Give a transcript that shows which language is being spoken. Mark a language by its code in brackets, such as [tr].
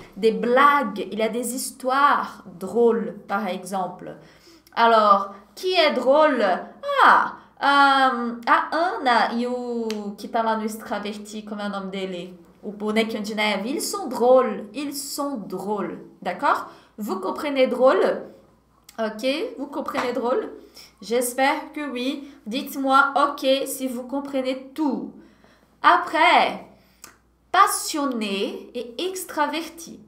[fr] Des blagues, il y a des histoires drôles, par exemple. Alors, qui est drôle? [pt] A Anna e o que tá lá no extraverti, como é o nome dele? O bonequinho de neve. [fr] Ils sont drôles, d'accord? Vous comprenez drôle? Ok, vous comprenez drôle? J'espère que oui. Dites-moi ok si vous comprenez tout. Après, passionné et extraverti.